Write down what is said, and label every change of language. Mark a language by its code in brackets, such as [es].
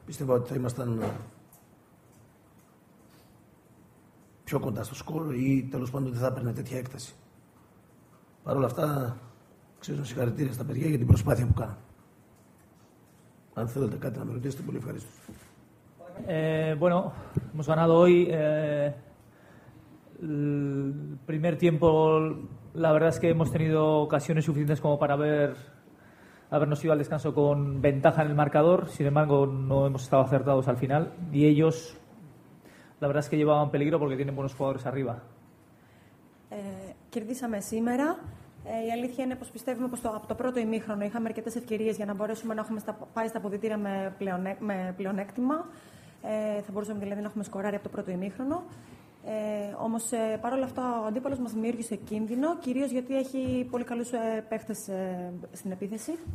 [el] Πιστεύω ότι θα ήμασταν πιο κοντά στο σκορ ή τέλος πάντων δεν θα έπαιρνε τέτοια έκταση. Παρ' όλα αυτά, ξέρω συγχαρητήρια στα παιδιά για την προσπάθεια που κάνουν. Αν θέλετε κάτι να με ρωτήσετε, πολύ ευχαρίστω. [es] Bueno, hemos ganado hoy. El primer tiempo, la verdad es que hemos tenido ocasiones suficientes como para habernos ido al descanso con ventaja en el marcador. Sin embargo, no hemos estado acertados al final. Y ellos, la verdad es que llevaban peligro porque tienen buenos jugadores arriba. [el] Κερδίσαμε σήμερα. Η αλήθεια είναι πως πιστεύουμε πως από το πρώτο ημίχρονο είχαμε αρκετές ευκαιρίες για να μπορέσουμε να έχουμε πάει στα αποδυτήρια με πλεονέκτημα. Θα μπορούσαμε δηλαδή να έχουμε σκοράρει από το πρώτο ημίχρονο. Όμως παρόλα αυτά ο αντίπαλος μας δημιούργησε κίνδυνο, κυρίως γιατί έχει πολύ καλούς παίχτες στην επίθεση.